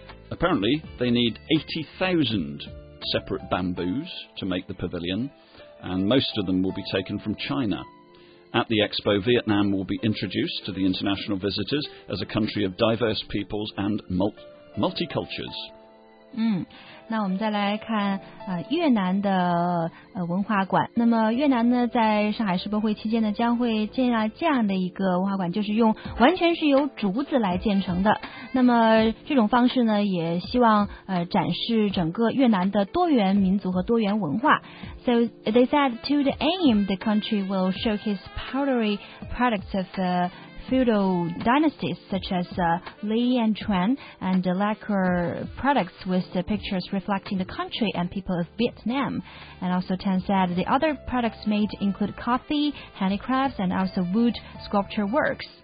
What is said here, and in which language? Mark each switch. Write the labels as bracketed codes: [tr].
[en] Apparently, they need 80,000separate bamboos to make the pavilion, and most of them will be taken from China. At the expo, Vietnam will be introduced to the international visitors as a country of diverse peoples and multicultures. [zh] 那我们再来看越南的文化馆。那么越南呢，在上海世博会期间呢，将会建立这样的一个文化馆，就是用完全是由竹子来建成的。那么这种方式呢，也希望展示整个越南的多元民族和多元文化。 [en] So they said to the aim, the country will showcase pottery products of the feudal dynasties such as Li and Chuan, and the lacquer products with the pictures reflecting the country and people of Vietnam. And also Tan said the other products made include coffee, handicrafts, and also wood sculpture works.